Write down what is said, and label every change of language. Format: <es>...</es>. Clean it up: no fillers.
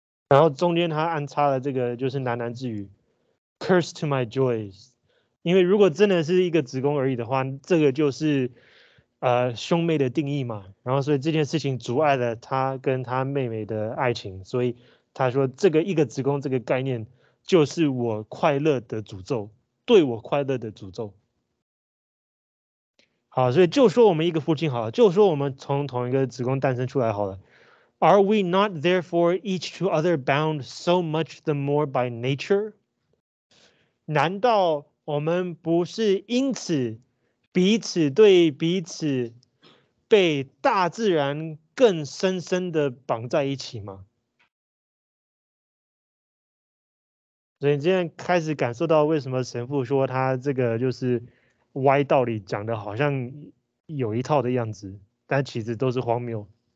<zh>然后中间他安插了这个就是喃喃自语</zh> <en>Curse to my joys，</en> <zh>因为如果真的是一个子宫而已的话，这个就是兄妹的定义嘛，然后所以这件事情阻碍了他跟他妹妹的爱情，所以他说这个一个子宫这个概念就是我快乐的诅咒，对我快乐的诅咒。好，所以就说我们一个父亲好了，就说我们从同一个子宫诞生出来好了。</zh> <en>Are we not therefore each to other bound so much the more by nature?</en> <zh>难道我们不是因此彼此对彼此被大自然更深深的绑在一起吗？所以你现在开始感受到为什么神父说他这个就是歪道理讲的好像有一套的样子，但其实都是荒谬。</zh>